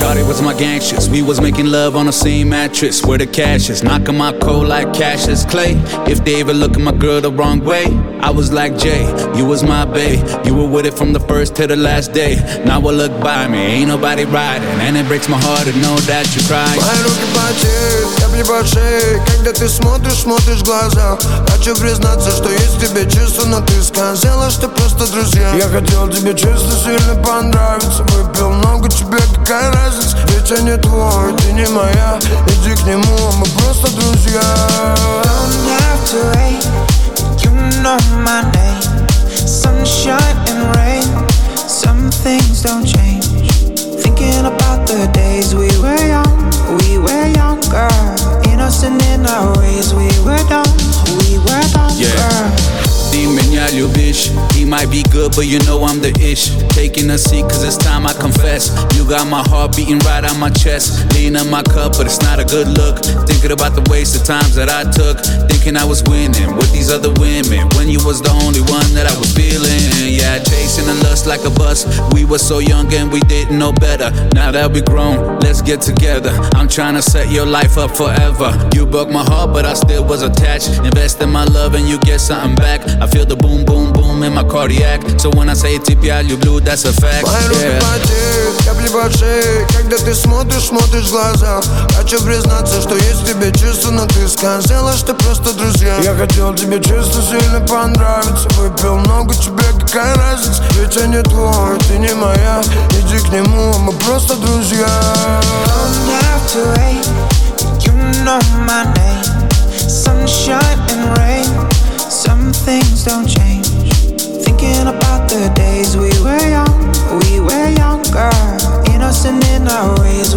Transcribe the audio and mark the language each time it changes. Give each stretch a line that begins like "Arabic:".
English: Shawty was my gangsters. We was making love on the same mattress. Where the cash is, knocking my coat like Cassius Clay. If they ever look at my girl the wrong way, I was like Jay, you was my bae. You were with it from the first to the last day. Now I look by me, ain't nobody riding. And it breaks my heart to know that you cry.
Russian: Мои руки потеют, капли по шее. Когда ты смотришь в глаза. Хочу признаться, что есть тебе чувства. Но ты сказала, что просто друзья. Я хотел тебе честно сильно понравиться. Выпил много, тебе какая разница. Ведь я не твой, ты не моя. Иди к нему, а мы просто друзья.
English: Don't have to wait, you know my name. Sunshine and rain. Some things don't change. Thinking about the days we were younger. Innocent in our ways, we were dumb, yeah. Girl.
Russian: Меня любишь.
English: He might be good, but you know I'm the ish. Taking a seat, cause it's time I confess. You got my heart beating right on my chest. Leaning on my cup, but it's not a good look. Thinking about the waste of times that I took. Thinking I was winning with these other women. When you was the only one that I was feeling. Yeah, chasing the lust like a bus. We were so young and we didn't know better. Now that we grown, let's get together. I'm trying to set your life up forever. You broke my heart, but I still was attached. Invest in my love and you get something back. I feel the boom, boom, boom in my cardiac. So when I say TPI, you blue, that's a fact.
Russian: Мои руки потеют, капли по шее. Когда ты смотришь в глаза. Хочу признаться, что есть в тебе чувства. Но ты сказала, что просто друзья. Я хотел тебе чисто сильно понравиться. Выпил много, тебе какая разница. Ведь я не твой, ты не моя. Иди к нему, а мы просто друзья.
English: Don't have to wait, you know my name. Sunshine and rain. Some things don't change. Thinking about the days we were young. We were younger. Innocent in our ways.